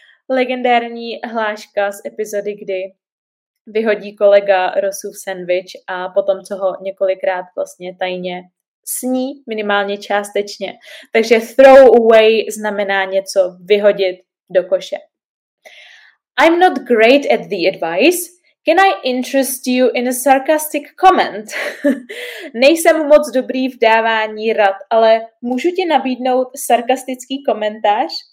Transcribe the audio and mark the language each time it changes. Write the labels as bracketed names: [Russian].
[Czech] Legendární hláška z epizody, kdy vyhodí kolega Rosův sandwich a potom co ho několikrát vlastně tajně sní, minimálně částečně. Takže throw away znamená něco vyhodit do koše. [English] I'm not great at the advice. Can I interest you in a sarcastic comment? [Czech] Nejsem moc dobrý v dávání rad, ale můžu ti nabídnout sarkastický komentář?